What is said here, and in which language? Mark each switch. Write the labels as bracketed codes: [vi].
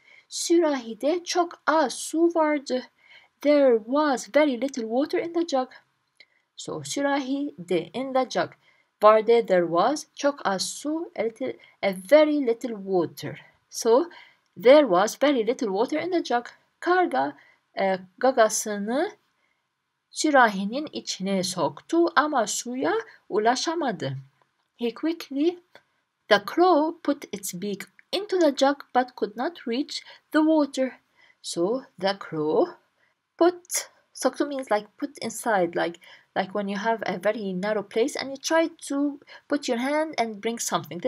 [tr] Sürahide çok az su vardı. [en] There was very little water in the jug. So sürahide, in the jug. Vardı, there was, [tr] çok az su, [en] a very little water. So, there was very little water in the jug. [tr] Karga gagasını sürahinin içine soktu ama suya ulaşamadı. [en] He quickly, the crow put its beak into the jug but could not reach the water. So, the crow put, soktu means like put inside, like when you have a very narrow place and you try to put your hand and bring something.